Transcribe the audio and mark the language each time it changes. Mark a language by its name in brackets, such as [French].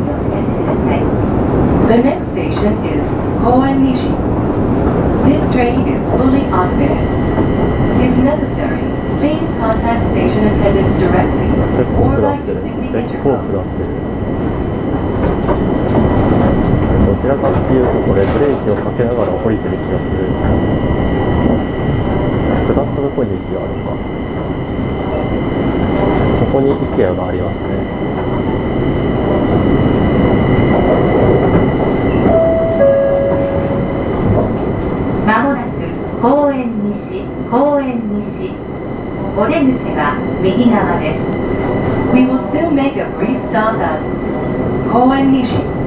[English] The next station is Koen Nishi. This train is fully automated. If necessary, please contact station attendants directly or by using the microphone. [Japanese] どちらかっていうとこれブレーキをかけながら降りてる気がする。下ったとこに駅があるのか。ここにイケアがありますね。まもなく公園西。公園西お出口は右側です。 [English] We will soon make a brief stop at 公園西。